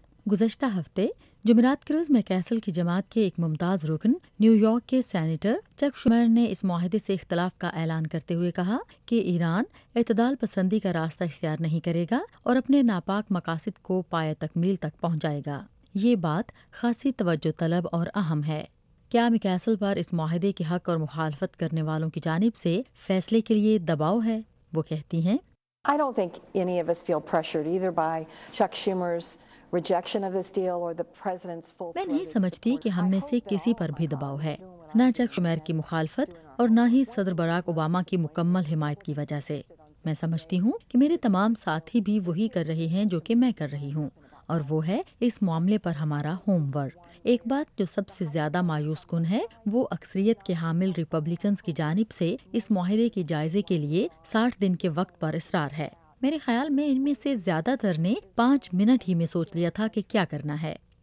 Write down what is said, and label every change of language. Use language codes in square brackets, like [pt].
[ur] گزشتہ ہفتے جمعرات کے روز میکیسل کی جماعت کے ایک ممتاز رکن نیو یارک کے سینیٹر چک شومر نے اس معاہدے سے اختلاف کا اعلان کرتے ہوئے کہا کہ ایران اعتدال پسندی کا راستہ اختیار نہیں کرے گا اور اپنے ناپاک مقاصد کو پایہ تکمیل تک پہنچائے گا۔ یہ بات خاصی توجہ طلب اور اہم ہے۔ کیا میکیسل پر اس معاہدے کے حق اور مخالفت کرنے والوں کی جانب سے فیصلے کے لیے دباؤ ہے؟ وہ کہتی ہیں، [en] I don't think any of us feel pressured either by Chuck Schumer's rejection of this deal or the president's full [ur] میں نہیں سمجھتی کہ ہم میں سے کسی پر بھی دباؤ ہے، نہ چک شومر کی مخالفت اور نہ ہی صدر براک اوباما کی مکمل حمایت کی وجہ سے۔ میں سمجھتی ہوں کہ میرے تمام ساتھی بھی وہی کر رہے ہیں جو کہ میں کر رہی ہوں، اور وہ ہے اس معاملے پر ہمارا ہوم ورک۔ ایک بات جو سب سے زیادہ مایوس کن ہے وہ اکثریت کے حامل ریپبلیکنز کی جانب سے اس معاہدے کے جائزے کے لیے 60 دن کے وقت پر اصرار ہے۔ میرے خیال میں ان میں سے زیادہ تر نے 5 منٹ ہی میں سوچ لیا تھا کہ کیا کرنا ہے،